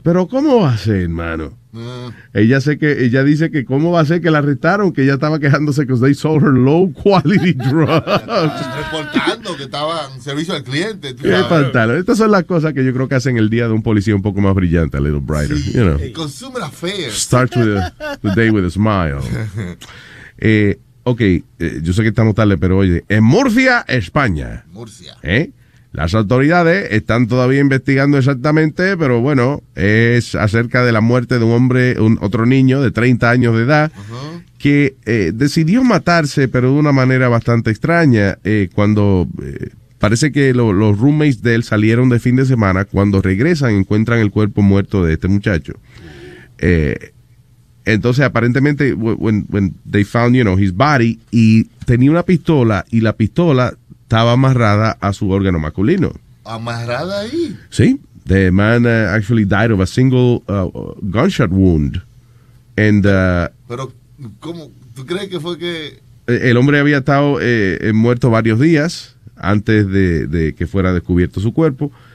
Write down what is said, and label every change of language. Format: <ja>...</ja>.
<es>Pero, ¿cómo va a ser, hermano? Ella dice que cómo va a ser que la arrestaron, que ella estaba quejándose que</es> <en>they sold her low quality drugs.</en> <es>Reportando que estaba en servicio al cliente. Qué espantalo. Estas son las cosas que yo creo que hacen el día de un policía un poco más brillante,</es> <en>a little brighter.</en> <es>Sí,</es> <en>you know. Consumer affairs. Start with the day with a smile.</en> <es>Yo sé que estamos tarde, pero oye, en Murcia, España. Murcia. Las autoridades están todavía investigando exactamente, pero bueno, es acerca de la muerte de un hombre, otro niño de 30 años de edad, que decidió matarse, pero de una manera bastante extraña, cuando parece que los roommates de él salieron de fin de semana. Cuando regresan, encuentran el cuerpo muerto de este muchacho. Entonces, aparentemente,</es> <en>when they found, you know, his body,</en> <es>y tenía una pistola, y la pistola estaba amarrada a su órgano masculino. ¿Amarrada ahí? Sí.</es> <en>The man actually died of a single gunshot wound. And,</en> <es>pero, ¿cómo? ¿Tú crees que fue que...? El hombre había estado muerto varios días antes de que fuera descubierto su cuerpo.</es>